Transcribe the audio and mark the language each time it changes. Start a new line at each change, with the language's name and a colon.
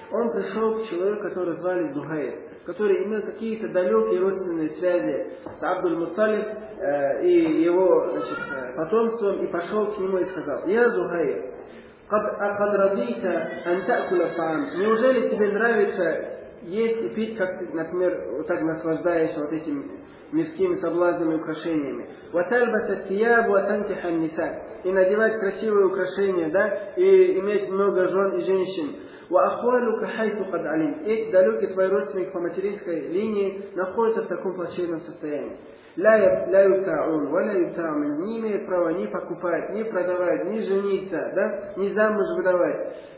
Russian: Он пришел к человеку, которого звали Зухайр, который имел какие-то далекие родственные связи с Абдул-Муталиб и его, значит, потомством, и пошел к нему и сказал, «Я Зухайр,
Arabic: قد رضيت أن تأكل الطعام.
Russian: Неужели тебе нравится есть и пить, как ты, например, вот так наслаждаешься вот этими мирскими соблазнами, украшениями?
Arabic: وتلبس الثياب وتنكح النساء.
Russian: И надевать красивые украшения, да, и иметь много жен и женщин.
Arabic: وأخوالك حيث قد علمت.
Russian: Эти далекие твои родственники по материнской линии находятся в таком плачевном состоянии.
Arabic: لا يبتاع
Russian: он,
Arabic: ولا يبتاع من,
Russian: не имеет права ни покупать, ни продавать, ни жениться, да, ни замуж выдавать.